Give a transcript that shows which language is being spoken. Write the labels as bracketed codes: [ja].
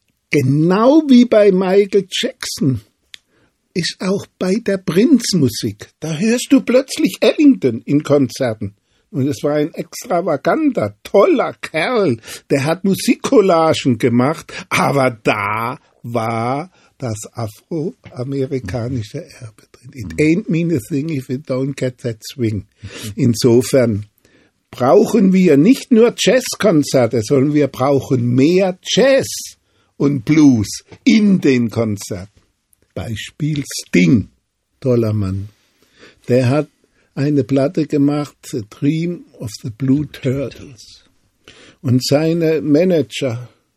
[de] Genau wie bei Michael Jackson ist auch bei der Prinzmusik. Da hörst du plötzlich Ellington in Konzerten. Und es war ein extravaganter, toller Kerl. Der hat Musikcollagen gemacht. Aber da war das afroamerikanische Erbe drin. [en] It ain't mean a thing if you don't get that swing. [de] Insofern brauchen wir nicht nur Jazzkonzerte, sondern wir brauchen mehr Jazz und Blues in den Konzerten. Beispiel Sting, toller Mann. Der hat eine Platte gemacht, The Dream of the Blue Turtles. Und seine Manager